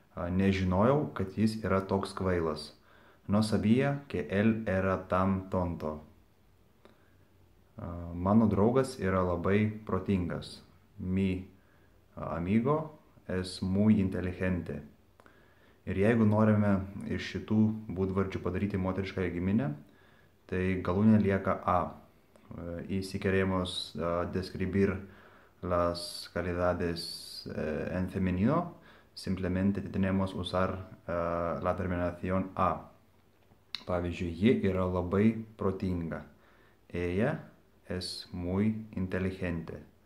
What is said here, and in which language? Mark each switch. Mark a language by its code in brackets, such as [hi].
[lt] Nežinojau, kad jis yra toks kvailas. [es] No sabía que él era tan tonto. [lt] Mano draugas yra labai protingas. [es] Mi amigo es muy inteligente. [lt] Ir jeigu norime iš šitų būdvardžių padaryti moterišką giminę, tai galūnė lieka a. [es] Įsikerėjimos describir las calidades en femenino, simplemente tenemos usar la terminación a. [lt] Pavyzdžiui, ji yra labai protinga. [es] Ella es muy inteligente.